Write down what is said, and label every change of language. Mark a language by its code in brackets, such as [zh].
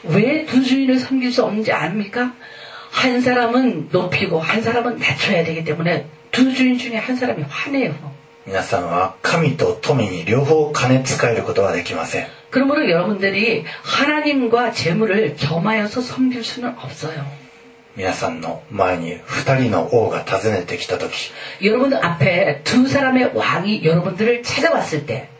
[ko] 왜 두 주인을 섬길 수 없는지 압니까? 한 사람은 높이고 한 사람은 낮춰야 되기 때문에 두 주인 중에 한 사람이 화내요. [ja] 皆さんは神と富に両方兼ね使えることはできません。 [ko] 그러므로 여러분들이 하나님과 재물을 겸하여서 섬길 수는 없어요. [ja] 皆さんの前に二人の王が訪ねてきた時, [ko] 여러분 앞에 두 사람의 왕이 여러분들을 찾아왔을 때,